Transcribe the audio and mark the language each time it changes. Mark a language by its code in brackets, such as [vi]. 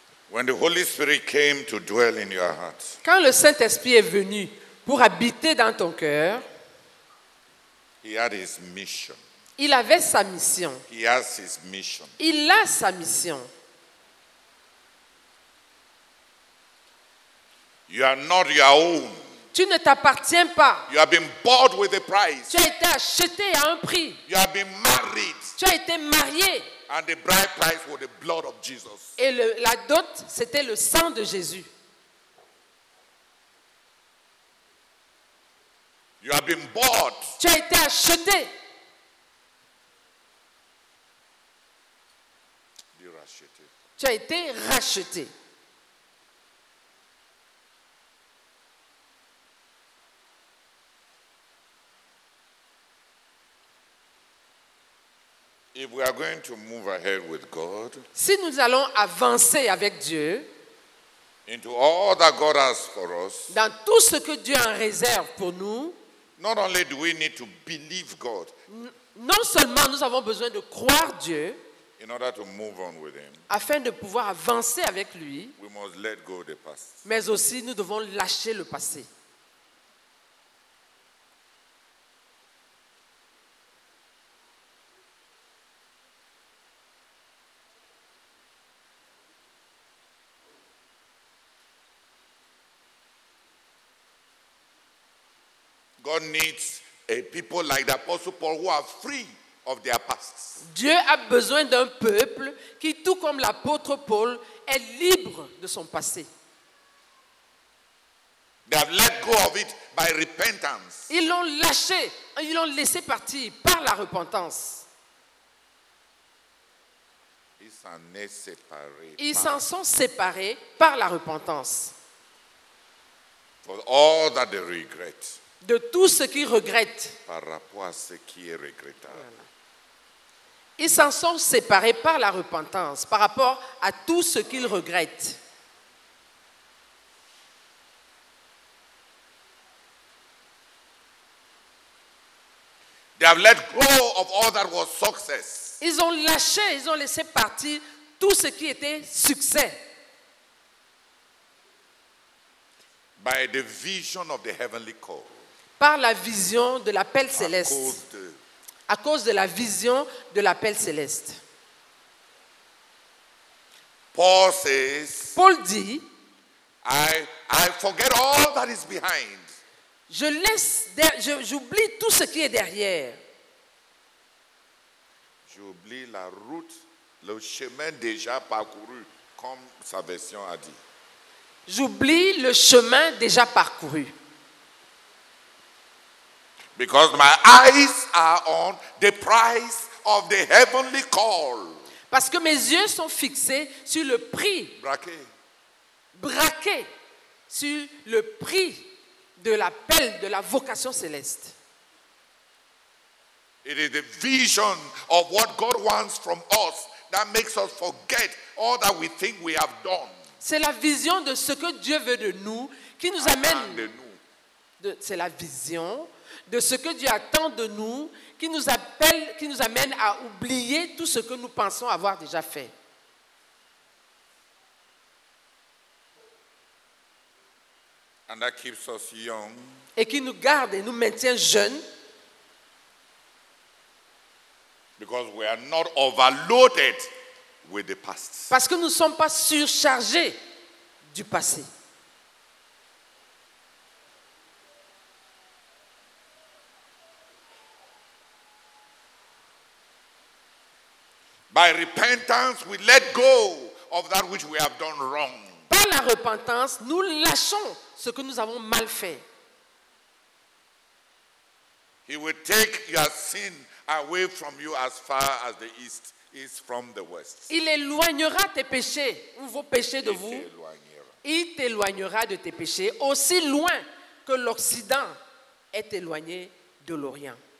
[en] When the Holy Spirit came to dwell in your heart. [fr] Quand le Saint-Esprit est venu pour habiter dans ton cœur. [en] He had his mission. [fr] Il avait sa mission. [en] He has his mission. [fr] Il a sa mission. [en] You are not your own. [fr] Tu ne t'appartiens pas. [en] You have been bought with a price. [fr] Tu as été acheté à un prix. [en] You have been married. [fr] Tu as été marié. [en] And the bride price was the blood of Jesus. [fr] Et la dot, c'était le sang de Jésus. [en] You have been bought. [fr] Tu as été acheté. Tu as été racheté. [en] If we are going to move ahead with God, [fr] si nous allons avancer avec Dieu, [en] into all that God has for us, [fr] dans tout ce que Dieu a en réserve pour nous. [en] Not only do we need to believe God. [fr] Non seulement nous avons besoin de croire Dieu. [en] In order to move on with him. [fr] Afin de pouvoir avancer avec lui. [en] We must let go the past. [fr] Mais aussi nous devons lâcher le passé. [en] God needs a people like the Apostle Paul who are free of their pasts. [fr] Dieu a besoin d'un peuple qui, tout comme l'apôtre Paul, est libre de son passé. [en] They have let go of it by repentance. [fr] Ils l'ont lâché, ils l'ont laissé partir par la repentance. Ils s'en est séparés. Ils s'en sont séparés par la repentance. [en] For all that they regret. [fr] De tout ce qu'ils regrettent. Par rapport à ce qui est regrettable. Voilà. Ils s'en sont séparés par la repentance, par rapport à tout ce qu'ils regrettent. [en] have let go of all that was success. [fr] Ils ont lâché, ils ont laissé partir tout ce qui était succès. [en] By the vision of the heavenly call. [fr] Par la vision de l'appel céleste. À cause de la vision de l'appel céleste. [en] Paul says. [fr] Paul dit. [en] I forget all that is behind. [fr] J'oublie tout ce qui est derrière. J'oublie la route, le chemin déjà parcouru, comme sa version a dit. J'oublie le chemin déjà parcouru. [en] Because my eyes are on the price of the heavenly call. [fr] Parce que mes yeux sont fixés sur le prix. Braqué sur le prix de l'appel de la vocation céleste. [en] It is the vision of what God wants from us that makes us forget all that we think we have done. [fr] C'est la vision de ce que Dieu veut de nous qui nous amène. De nous. C'est la vision de ce que Dieu attend de nous qui nous appelle, qui nous amène à oublier tout ce que nous pensons avoir déjà fait. [en] And that keeps us young. [fr] Et qui nous garde et nous maintient jeunes. [en] Because we are not overloaded with the past. [fr] Parce que nous ne sommes pas surchargés du passé. [en] By repentance, we let go of that which we have done wrong. [fr] Par la repentance, nous lâchons ce que nous avons mal fait. [en] He will take your sin away from you as far as the east is from the west. [fr] Il éloignera tes péchés ou vos péchés de vous. Il t'éloignera de tes péchés aussi loin que l'Occident est éloigné de l'Orient.